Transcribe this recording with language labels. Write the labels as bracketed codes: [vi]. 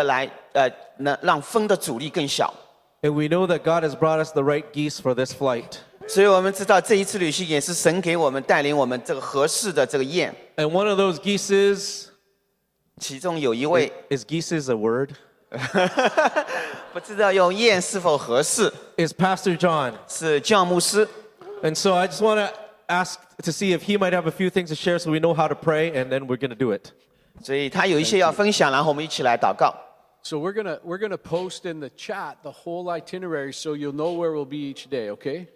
[zh] 在不同的时候，这个头雁是有不同的头雁来带领，为了来让风的阻力更小。 [en] And we know that God has brought us the right geese for this flight. And one of those geese is... [zh] 其中有一位, [en] is geese a word? [zh] 不知道用燕是否合适, [en] is Pastor John. [zh] 是教牧师。 [en] And so I just want to ask to see if he might have a few things to share so we know how to pray and then we're going to do it. [zh] 所以他有一些要分享, 然后我们一起来祷告。 [en] So we're gonna post in the chat the whole itinerary so you'll know where we'll be each day, okay?